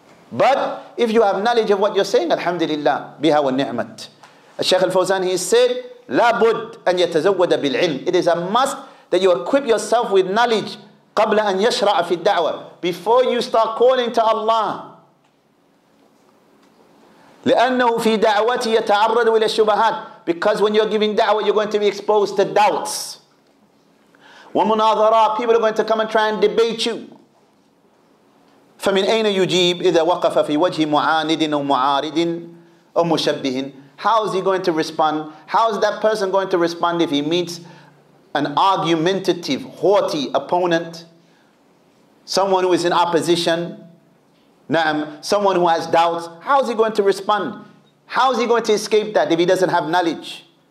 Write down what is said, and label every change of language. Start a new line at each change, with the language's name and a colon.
English: But if you have knowledge of what you're saying, alhamdulillah, biha wa ni'mat. Al-Shaykh al-Fawzan, he said,
Arabic: labud an yatazawwada bil-ilm.
English: It is a must that you equip yourself with knowledge,
Arabic: qabla an yashra'a fi da'wah,
English: before you start calling to Allah.
Arabic: لأنه في دعوتي يتعرض إلى الشبهات.
English: Because when you're giving da'wah, you're going to be exposed to doubts.
Arabic: ومناظرة,
English: people are going to come and try and debate you.
Arabic: فمن أين يجيب إذا وقف في وجه معاند أو معارض أو مشبه.
English: How is he going to respond? How is that person going to respond if he meets an argumentative, haughty opponent? Someone who is in opposition? نعم, someone who has doubts? How is he going to respond? How is he going to escape that if he doesn't have knowledge?